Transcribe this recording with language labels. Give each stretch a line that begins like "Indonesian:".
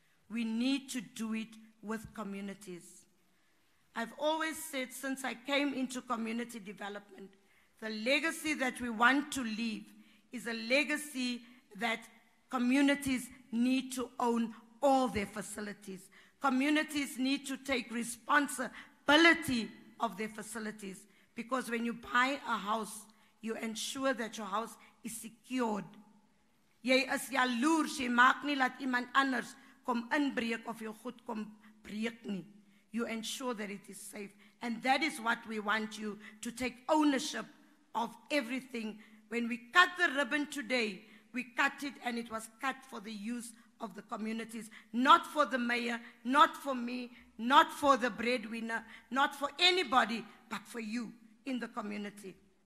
English: We need to do it with communities. I've always said since I came into community development, the legacy that we want to leave is a legacy that communities need to own all their facilities. Communities need to take responsibility of their facilities. Because when you buy a house, you ensure that your house is secured.
Afrikaans: Jy is jaloers, jy maak nie dat iemand anders kom inbreek of jou goed kom breek nie.
English: You ensure that it is safe. And that is what we want you to take ownership of everything. When we cut the ribbon today, we cut it and it was cut for the use of the communities. Not for the mayor, not for me, not for the breadwinner, not for anybody, but for you in the community.